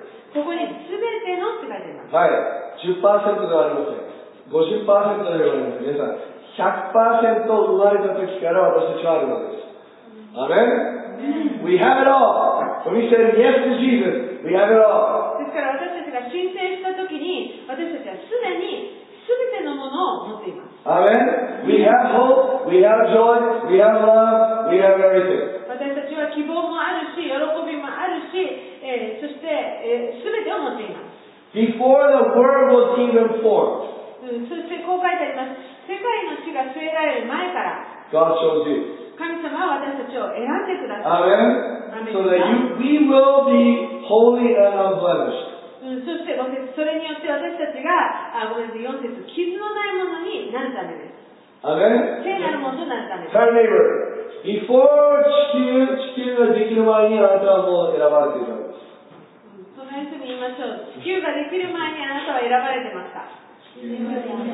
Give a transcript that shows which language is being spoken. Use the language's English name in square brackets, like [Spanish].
[Japanese] ここにすべてのって書いてます。はい、10% ではありません。 50% ではありません。皆さん、100% 生まれた時から私たちはあるのです。 [English] アメン。We have it all. When we said yes to Jesus, we have it all. [Japanese] ですから私たちが申請した時に私たちはすでにすべてのものを持っています。 [English] Amen. We have hope, we have joy, we have love, we have everything. [Japanese] 私たちは希望もあるし、喜びもあるし、そして、すべてを持っています。 [English] Before the world was even formed. [Japanese] そしてこう書いてあります。世界の地が据えられる前から、 [English] God chose you. [Japanese] 神様は私たちを選んでください。 [English] Amen. So that we will be holy and unblemished. [Japanese] そして、それによって私たちが、4節、傷のないものになるためです。 [English] Amen? [Japanese] 聖なるものとなるためです。 [English] Tell neighbor, before [Japanese] 地球ができる前にあなたはもう選ばれていたんです。そのように言いましょう。地球ができる前にあなたは選ばれてました。